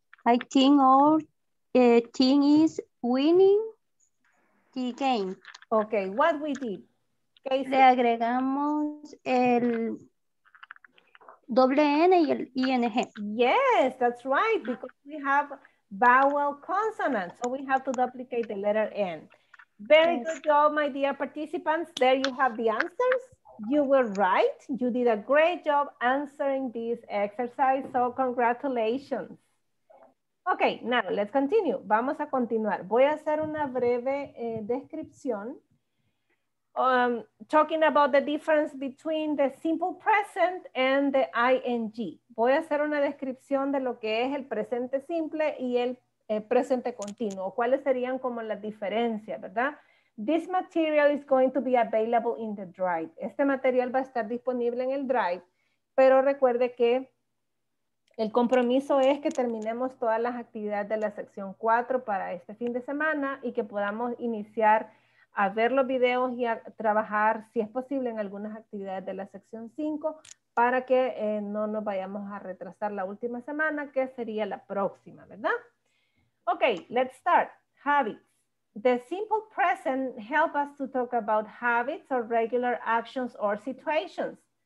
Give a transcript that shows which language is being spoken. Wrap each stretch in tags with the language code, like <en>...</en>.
<en>I think our team is winning the game. Okay, what we did?</en> <es>Le agregamos el doble N y el ING.</es> <en>Yes, that's right, because we have vowel consonants, so we have to duplicate the letter N. Very good job, my dear participants. There you have the answers. You were right. You did a great job answering this exercise, so congratulations. Ok, now let's continue.</en> <es>Vamos a continuar. Voy a hacer una breve descripción</es> <en>talking about the difference between the simple present and the ing.</en> <es>Voy a hacer una descripción de lo que es el presente simple y el presente continuo. ¿Cuáles serían como las diferencias, verdad?</es> <en>This material is going to be available in the drive.</en> <es>Este material va a estar disponible en el drive, pero recuerde que el compromiso es que terminemos todas las actividades de la sección 4 para este fin de semana y que podamos iniciar a ver los videos y a trabajar, si es posible, en algunas actividades de la sección 5 para que no nos vayamos a retrasar la última semana, que sería la próxima, ¿verdad?</es> <en>Ok, let's start. Habits. The simple present help us to talk about habits or regular actions or situations.</en>